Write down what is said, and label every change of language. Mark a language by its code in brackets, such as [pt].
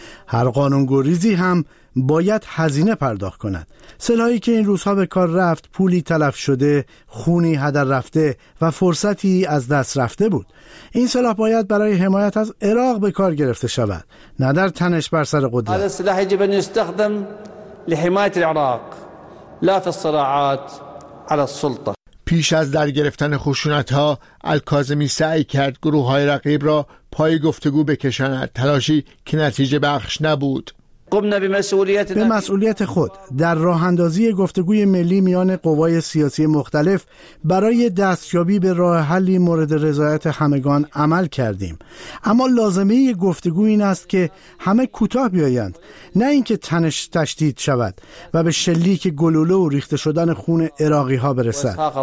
[fa] هر قانون‌گریزی هم باید هزینه پرداخت کند. سلاحی که این روزها به کار رفت، پولی تلف شده، خونی هدر رفته و فرصتی از دست رفته بود. این سلاح باید برای حمایت از عراق به کار گرفته شود، نه در تنش بر سر قدرت. [ar] هذا السلاح يجب ان يستخدم لحمايه العراق لا في الصراعات على السلطه. [fa] پیش از در گرفتن خشونت ها الکاظمی سعی کرد گروه های رقیب را پای گفتگو بکشاند، تلاشی که نتیجه بخش نبود. به مسئولیت خود در راه اندازی گفتگوی ملی میان قوای سیاسی مختلف برای دستیابی به راه حلی مورد رضایت همگان عمل کردیم، اما لازمه گفتگو این است که همه کوتاه بیایند، نه اینکه تنش تشدید شود و به شلیک گلوله و ریخته شدن خون عراقی ها برسد.